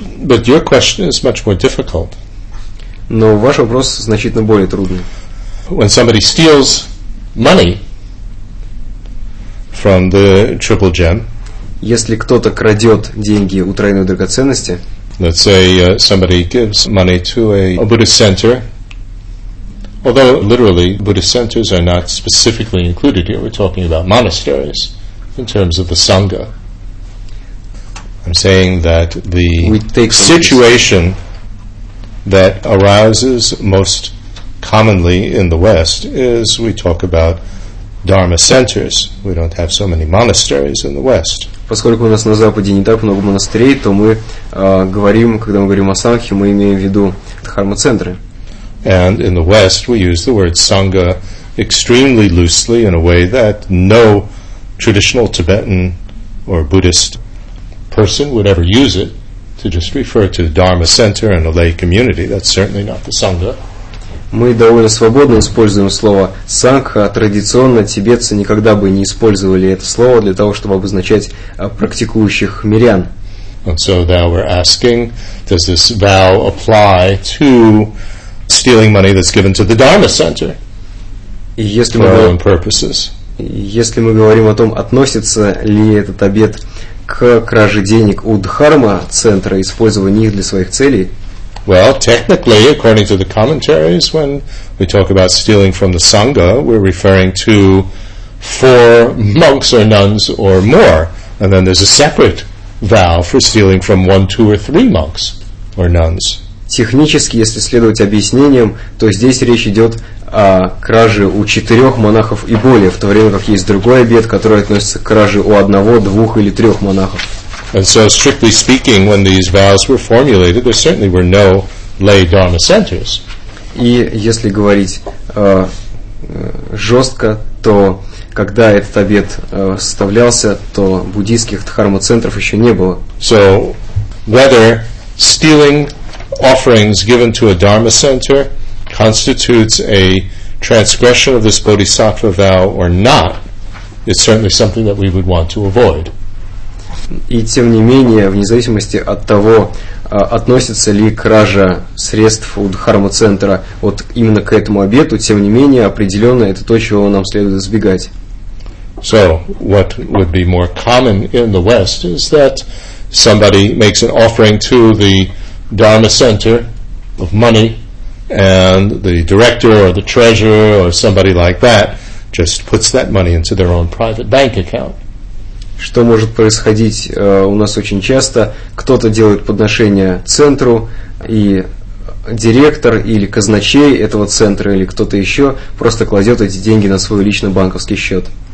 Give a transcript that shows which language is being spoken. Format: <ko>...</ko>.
<en>But your question is much more difficult.</en> <ru>Но ваш вопрос значительно более трудный.</ru> <en>When somebody steals money from the triple gem.</en> <ru>Если кто-то крадет деньги у тройной драгоценности.</ru> <en>Let's say somebody gives money to a Buddhist center. Although literally Buddhist centers are not specifically included here. We're talking about monasteries in terms of the Sangha. I'm saying that the situation that arises most commonly in the West is we talk about Dharma centers. We don't have so many monasteries in the West.</en> <ru>поскольку у нас на Западе не так много монастырей, то мы говорим, когда мы говорим о Сангхе, мы имеем в виду дхарма-центры.</ru> <en>And in the West we use the word Sangha extremely loosely in a way that no traditional Tibetan or Buddhist person would ever use it to just refer to the Dharma center and a lay community. That's certainly not the Sangha.</en> <ru>Мы довольно свободно используем слово Сангха. Традиционно тибетцы никогда бы не использовали это слово для того, чтобы обозначать практикующих мирян.</ru> <en>And so now we're asking, does this vow apply to stealing money that's given to the Dharma center?</en> <ru>Если мы говорим о том, относится ли этот обет к краже денег у Дхарма центра, использование их для своих целей?</ru> <en>Well, technically, according to the commentaries, when we talk about stealing from the Sangha, we're referring to four monks or nuns or more, and then there's a separate vow for stealing from one, two or three monks or nuns.</en> <ru>Технически, если следовать объяснениям, то здесь речь идет о краже у четырех монахов и более, в то время как есть другой обет, который относится к краже у одного, двух или трех монахов.</ru> <en>And so, strictly speaking, when these vows were formulated, there certainly were no lay dharma centers.</en> <ru>И если говорить жестко, то когда этот обет составлялся, то буддийских дхарма-центров еще не было.</ru> <en>So, whether stealing offerings given to a dharma center constitutes a transgression of this bodhisattva vow or not, it's certainly something that we would want to avoid.</en> <ru>И тем не менее, вне зависимости от того, относится ли кража средств у дхарма-центра вот именно к этому обету, тем не менее, определенно это то, чего нам следует избегать.</ru> <en>So, what would be more common in the West is that somebody makes an offering to the Dharma Center of money, and the director or the treasurer or somebody like that just puts that money into their own private bank account.</en> <ru>Что может происходить у нас очень часто? Кто-то делает подношение центру, и директор или казначей этого центра или кто-то еще просто кладет эти деньги на свой личный банковский счет.</ru>